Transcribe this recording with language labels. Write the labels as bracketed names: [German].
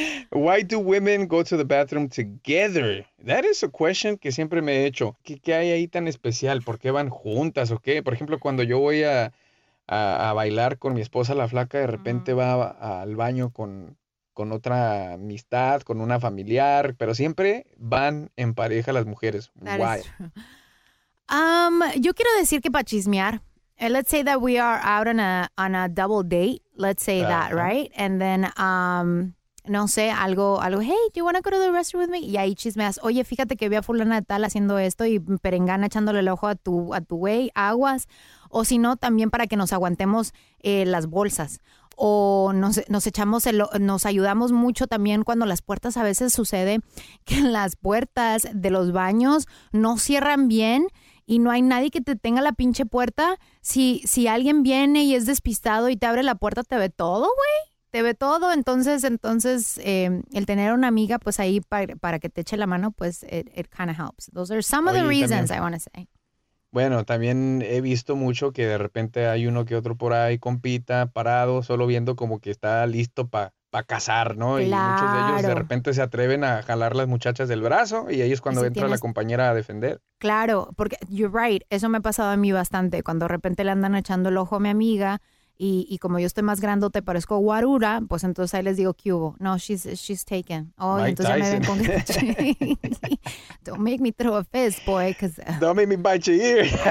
[English] Why do women go to the bathroom together? That is a question [Spanish] que siempre me he hecho. ¿Qué hay ahí tan especial? ¿Por qué van juntas o qué? Por ejemplo, cuando yo voy a bailar con mi esposa, la flaca de repente va al baño con otra amistad, con una familiar, pero siempre van en pareja las mujeres. [English] Why? [Spanish] Yo quiero decir que para chismear, [English] let's say that we are out on a double date, let's say that, right? And then, [Spanish] no sé, algo, [English] hey, do you want to go to the restroom with me? [Spanish] Y ahí chismeas, oye, fíjate que vi a fulana de tal haciendo esto y perengana echándole el ojo a tu güey, aguas. O si no, también para que nos aguantemos las bolsas. O nos ayudamos mucho también cuando las puertas, a veces sucede que las puertas de los baños no cierran bien y no hay nadie que te tenga la pinche puerta. Si alguien viene y es despistado y te abre la puerta, te ve todo, güey. Te ve todo. Entonces, el tener una amiga pues ahí para que te eche la mano, pues [English] it kind of helps. Those are some of the reasons I want to say. [Spanish] Bueno, también he visto mucho que de repente hay uno que otro por ahí, compita, parado, solo viendo como que está listo para cazar, ¿no? Claro. Y muchos de ellos de repente se atreven a jalar las muchachas del brazo y ahí es cuando entra la compañera a defender. Claro, porque [English] you're right, [Spanish] eso me ha pasado a mí bastante, cuando de repente le andan echando el ojo a mi amiga y como yo estoy más grandote, parezco guarura, pues entonces ahí les digo, ¿qué hubo? [English] No, she's taken. Oh, Mike [Spanish] entonces Tyson. Ya me ven con que [English] don't make me throw a fist, boy. Don't make me bite your ear.